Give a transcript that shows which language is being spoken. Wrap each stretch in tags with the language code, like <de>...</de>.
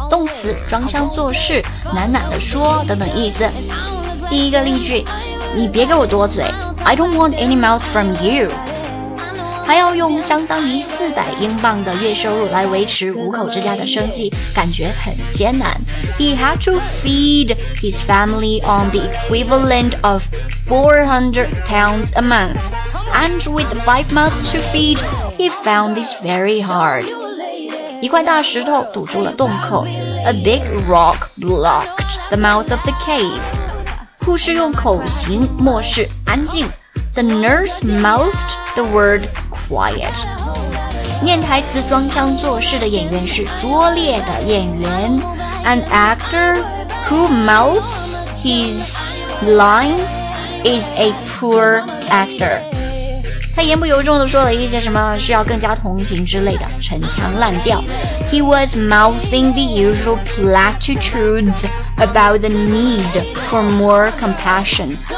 <zh>动词装腔作势，喃喃的说等等意思。第一个例句，你别给我多嘴。</zh> <en>I don't want any mouth from you。</en> <zh>还要用相当于400英镑的月收入来维持五口之家的生计，感觉很艰难。</zh> <en>He had to feed his family on the equivalent of 400 pounds a month, and with 5 months to feed, he found this very hard。</en> <zh>一块大石头堵住了洞口。</zh> <en>A big rock blocked the mouth of the cave。</en> <zh>护士用口型漠视安静。</zh> <en>The nurse mouthed the word quiet。</en> <zh>念台词装腔作势的演员是拙劣的演员。</zh> <en>An actor who mouths his lines is a poor actor。</en> <zh>他言不由衷地说了一些什么需要更加同情之类的陈腔滥调。</zh> <en>He was mouthing the usual platitudes about the need for more compassion。</en>